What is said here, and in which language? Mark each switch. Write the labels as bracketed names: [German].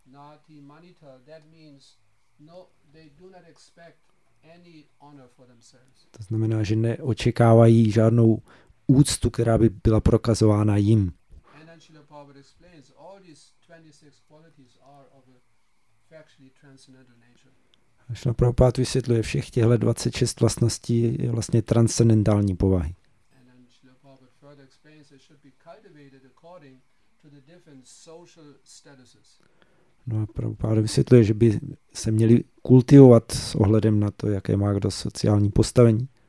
[English] Nati Manita, that means no, they do not expect any honor for themselves. [Czech] To znamená, že neočekávají žádnou úctu, která by byla prokazována jim. [English] And then Srila Prabhupada explains all these 26 qualities are of a factually transcendental nature. [Czech] Srila Prabhupada vysvětluje, všech těchto 26 vlastností je vlastně transcendentální povahy. [English] And then Srila Prabhupada further explains it should be cultivated according to the different social statuses. [Czech] No a Prabhupada vysvětluje, že by se měli kultivovat s ohledem na to, jaké má kdo sociální postavení.